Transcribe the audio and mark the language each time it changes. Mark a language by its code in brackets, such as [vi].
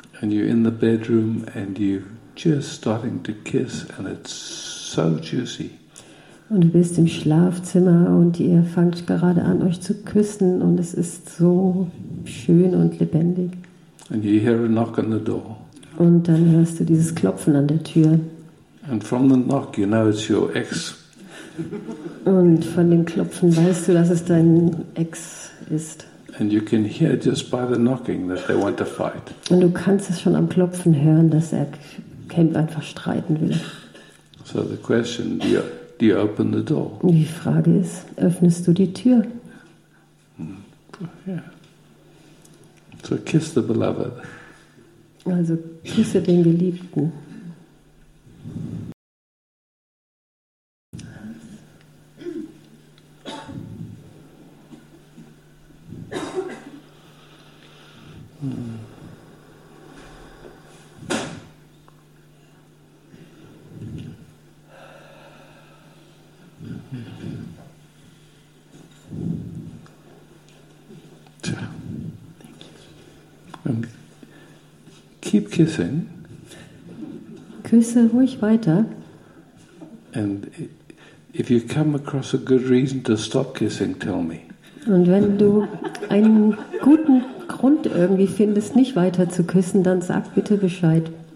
[en] And you're in the bedroom and you're just starting to kiss and it's so juicy. [de] Und du bist im Schlafzimmer und ihr fangt gerade an, euch zu küssen, und es ist so schön und lebendig. [en] And you hear a knock on the door. [de] Und dann hörst du dieses Klopfen an der Tür. [en] And from the knock, you know it's your ex. [de] Und von dem Klopfen weißt du, dass es dein Ex ist. [en] And you can hear just by the knocking that they want to fight. [de] Und du kannst es schon am Klopfen hören, dass er kämpft, einfach streiten will. [en] So the question, do you open the door? [de] Die Frage ist, öffnest du die Tür? [en] Yeah. So kiss the beloved. [de] Also küsse den Geliebten. [en] Keep kissing. [de] Küsse ruhig weiter. [en] And if you come across a good reason to stop kissing, tell me. [de] Und wenn du einen guten Grund irgendwie findest, nicht weiter zu küssen, dann sag bitte Bescheid.